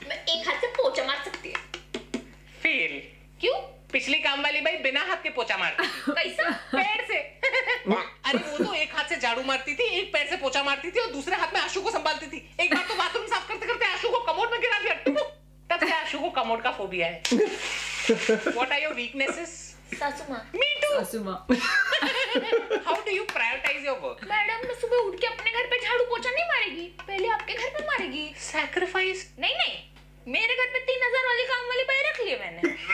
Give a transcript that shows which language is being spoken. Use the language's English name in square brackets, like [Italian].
[Hindi] मैं एक हाथ से पोछा मार सकती है। फेल। क्यों? पिछली काम वाली भाई बिना हाथ के पोछा मारती। कैसा? पैर से। अरे वो तो एक हाथ से झाड़ू मारती थी, एक पैर से पोछा मारती थी और दूसरे हाथ में आशू को संभालती थी। एक बार तो बाथरूम साफ करते करते आशू को कमोड में गिरा दिया। आशू को कमोड का फोबिया है। [English] What are your weaknesses? [Hindi] सासुमा। [English] Me too. [Hindi] सासुमा। [English] How do you prioritize your work? [Hindi] Madam मैं सुबह उठ के अपने घर पे झाड़ू पोछा नहीं मारेगी, पहले आपके घर पे मारेगी। [English] Sacrifice? [Hindi] नहीं नहीं, मेरे घर पे 3,000 वाली काम वाली पाई रख लिए मैंने।